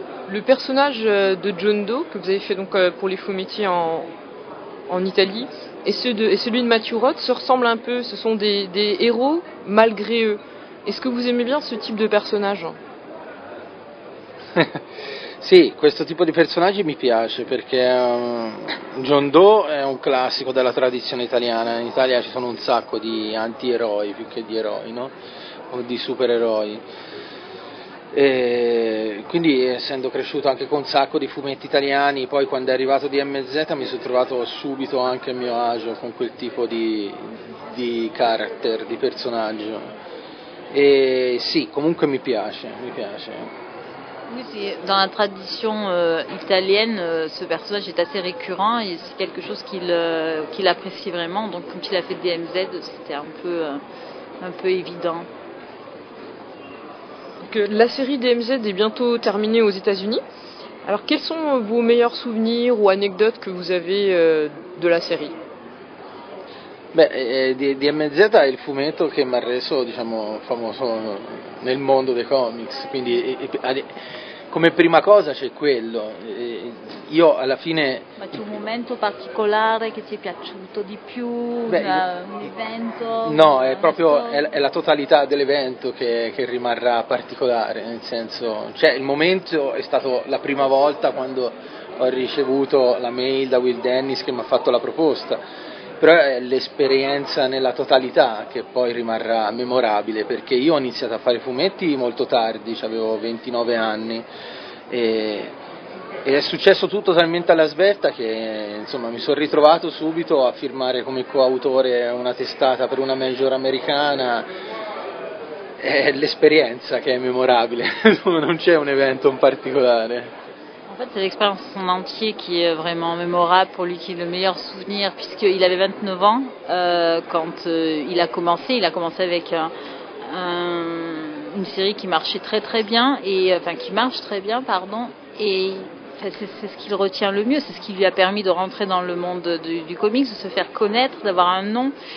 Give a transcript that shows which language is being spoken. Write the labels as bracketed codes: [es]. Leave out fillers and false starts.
[fr] Le personnage de John Doe, que vous avez fait donc pour les faux métiers en Italie, et celui de Matthew Roth se ressemblent un peu. Ce sont des héros malgré eux. Est-ce que vous aimez bien ce type de personnage? [it] Sì, questo tipo di personaggi mi piace perché John Doe è un classico della tradizione italiana. In Italia ci sono un sacco di anti-eroi più che di eroi, no? O di supereroi. E quindi, essendo cresciuto anche con un sacco di fumetti italiani, poi quando è arrivato DMZ mi sono trovato subito anche a mio agio con quel tipo di character, di personaggio. E sì, comunque mi piace. [fr] Oui, dans la tradition italienne, ce personnage est assez récurrent et c'est quelque chose qu'il apprécie vraiment. Donc, quand il a fait DMZ, c'était un peu évident. Donc, la série DMZ est bientôt terminée aux États-Unis. Alors, quels sont vos meilleurs souvenirs ou anecdotes que vous avez de la série? [it] DMZ è il fumetto che mi ha reso, diciamo, famoso nel mondo dei comics, quindi come prima cosa c'è quello. Io alla fine... Ma c'è un momento particolare che ti è piaciuto di più? Un evento? No, è proprio è la totalità dell'evento che rimarrà particolare, nel senso, cioè il momento è stato la prima volta quando ho ricevuto la mail da Will Dennis che mi ha fatto la proposta. Però è l'esperienza nella totalità che poi rimarrà memorabile, perché io ho iniziato a fare fumetti molto tardi, cioè avevo 29 anni, e è successo tutto talmente alla svelta che insomma mi sono ritrovato subito a firmare come coautore una testata per una major americana. È l'esperienza che è memorabile, non c'è un evento in particolare. [fr] En fait, c'est l'expérience en entier qui est vraiment mémorable pour lui, qui est le meilleur souvenir, puisqu'il avait 29 ans quand il a commencé. Il a commencé avec une série qui marchait très très bien, c'est ce qu'il retient le mieux, c'est ce qui lui a permis de rentrer dans le monde du comics, de se faire connaître, d'avoir un nom.